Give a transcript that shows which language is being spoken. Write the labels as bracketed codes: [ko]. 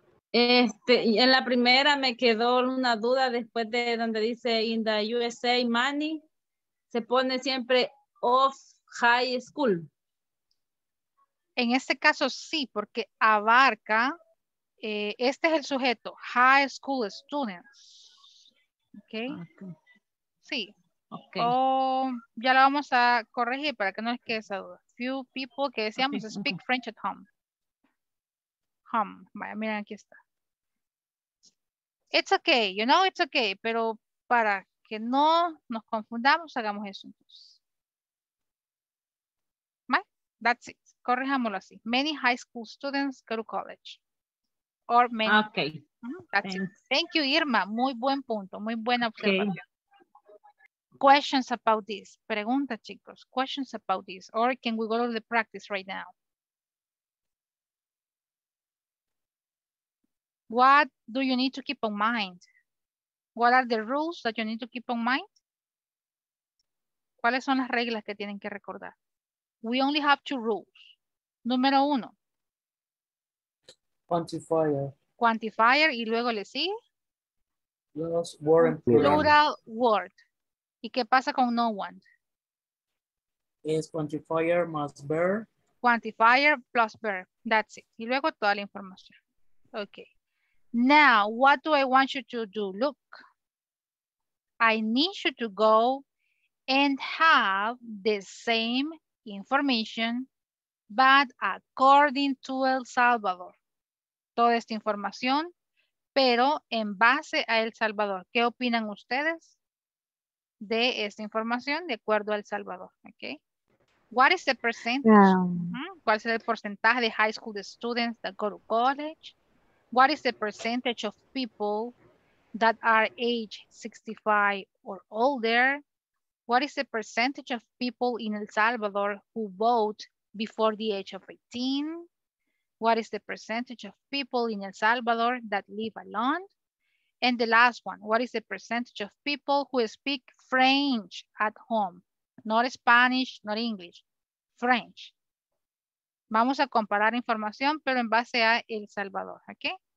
[es] Este, en la primera me quedó una duda después de donde dice [en] in the USA money, [es] se pone siempre of high school. En este caso sí, porque abarca, este es el sujeto, high school students. Okay. Sí. [en] Okay. [es] Oh, ya lo vamos a corregir para que no les quede esa duda. [en] Few people [es] que decíamos [en] speak French at home. [es] Home. Vaya, miren, aquí está. [en] It's okay, you know, it's okay, [es] pero para que no nos confundamos, hagamos eso entonces. [en] Bye. That's it. [es] Corrijámoslo así. [en] Many high school students go to college. Or many. Okay. That's it. Thank you, [es] Irma. Muy buen punto. Muy buena observación. [en] Okay. Questions about this. [es] Pregunta, chicos. [en] Questions about this. Or can we go to the practice right now? What do you need to keep in mind? What are the rules that you need to keep in mind? [es] ¿Cuáles son las reglas que tienen que recordar? [en] We only have two rules. [es] Número uno. [en] Quantifier. [es] Quantifier, y luego le sigue. [en] Plus word and plural. Plural word. [es] ¿Y qué pasa con no one? [en] Is quantifier must bear. Quantifier plus bear. That's it. [es] Y luego toda la información. [en] Okay. Now, what do I want you to do? Look. I need you to go and have the same information, but according to El Salvador. [es] Toda esta información, pero en base a El Salvador. ¿Qué opinan ustedes de esta información de acuerdo a El Salvador? [en] Okay. What is the percentage? [es] ¿Cuál es el porcentaje de [en] high school students that go to college? What is the percentage of people that are age 65 or older? What is the percentage of people in El Salvador who vote before the age of 18? What is the percentage of people in El Salvador that live alone? And the last one, what is the percentage of people who speak French at home? Not Spanish, not English, French. [es] Vamos a comparar información, pero en base a El Salvador, okay?